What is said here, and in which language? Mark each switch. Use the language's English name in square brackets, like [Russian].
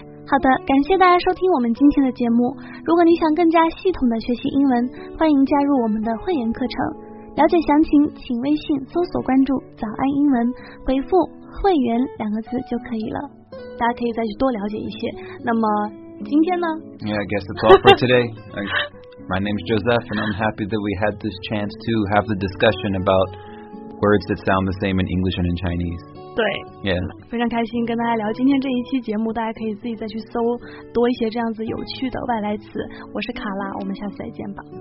[Chinese] 好的，感谢大家收听我们今天的节目，如果你想更加系统的学习英文，欢迎加入我们的会员课程，了解详情请微信搜索关注早安英文，回复会员两个字就可以了，大家可以再去多了解一些。那么今天呢 [English] Yeah, I guess that's all for today. My name is Joseph and I'm happy that we had this chance to have the discussion about words that sound the same in English and in Chinese. [Chinese] 对 [English] Yeah. [Chinese] 非常开心跟大家聊今天这一期节目，大家可以自己再去搜多一些这样子有趣的外来词。我是卡拉，我们下次再见吧。